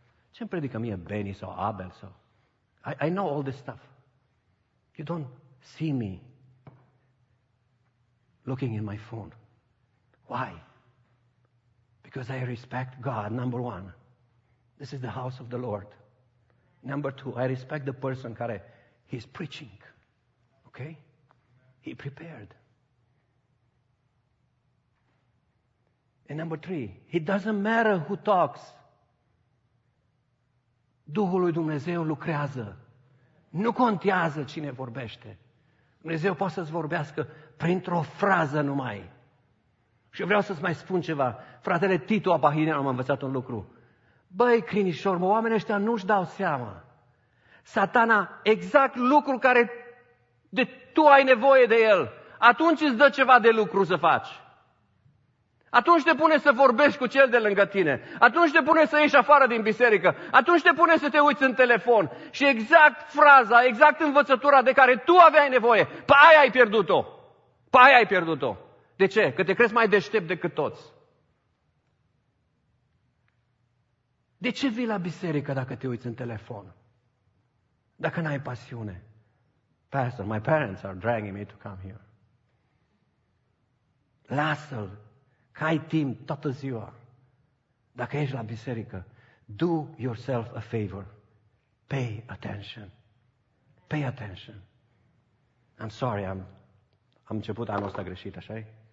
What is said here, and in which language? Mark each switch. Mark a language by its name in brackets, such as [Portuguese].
[Romanian] Ce-mi predică mie Benny sau Abel sau... [English] I know all this stuff. You don't see me looking in my phone. Why? Because I respect God, number one. This is the house of the Lord. Number two, I respect the person care he's preaching. Okay? He prepared. And number three, it doesn't matter who talks. [Romanian] Duhul lui Dumnezeu lucrează. Nu contează cine vorbește. Dumnezeu poate să-ți vorbească printr-o frază numai. Și eu vreau să-ți mai spun ceva. Fratele Titu Abahinean m-a învățat un lucru. Băi, crinișor, mă, oamenii ăștia nu-și dau seama. Satana, exact lucru care de tu ai nevoie de el. Atunci îți dă ceva de lucru să faci. Atunci te pune să vorbești cu cel de lângă tine. Atunci te pune să ieși afară din biserică. Atunci te pune să te uiți în telefon. Și exact fraza, exact învățătura de care tu aveai nevoie, pe aia ai pierdut-o. Pe aia ai pierdut-o. De ce? Că te crezi mai deștept decât toți. De ce vii la biserică dacă te uiți în telefon? Dacă n-ai pasiune. [English] Pastor, my parents are dragging me to come here. [Romanian] Lasă-l. Că ai timp toată ziua, dacă ești la biserică, do yourself a favor. [English] Pay attention. Pay attention. I'm sorry, am început anul ăsta greșit, așa-i?